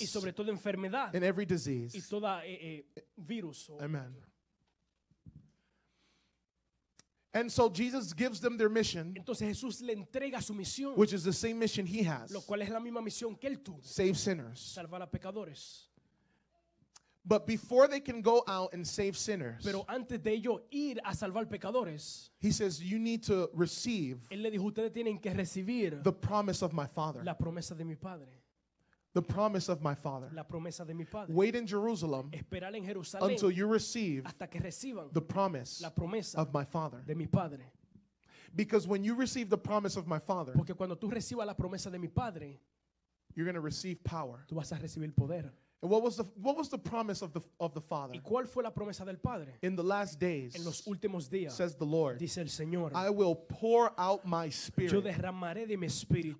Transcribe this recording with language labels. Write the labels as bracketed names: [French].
[Spanish] y sobre toda enfermedad, [English] and every disease, [Spanish] y toda, virus. [English] Amen. And so Jesus gives them their mission, [Spanish] entonces Jesús le entrega su misión, [English] which is the same mission he has, [Spanish] lo cual es la misma misión que él tuvo, [English] save sinners, [Spanish] salvar a pecadores. [English] But before they can go out and save sinners, [Spanish] pero antes de ello ir a salvar pecadores, [English] he says, you need to receive, [Spanish] él le dijo, ustedes tienen que recibir, [English] the promise of my father, [Spanish] la promesa de mi padre, [English] the promise of my father, [Spanish] la promesa de mi padre, [English] wait in Jerusalem, [Spanish] esperar en Jerusalén, [English] until you receive, [Spanish] hasta que reciban, [English] the promise, [Spanish] la promesa [English] of my father, [Spanish] de mi padre. [English] Because when you receive the promise of my father, [Spanish] porque cuando tú recibas la promesa de mi padre, [English] you're going to receive power, [Spanish] tú vas a recibir poder. [English] What was the promise of the Father? [Spanish] ¿Y cuál fue la promesa del Padre? [English] In the last days, [Spanish] en los últimos días, [English] says the Lord, [Spanish] dice el Señor, [English] I will pour out my spirit, [Spanish] yo derramaré de mi espíritu,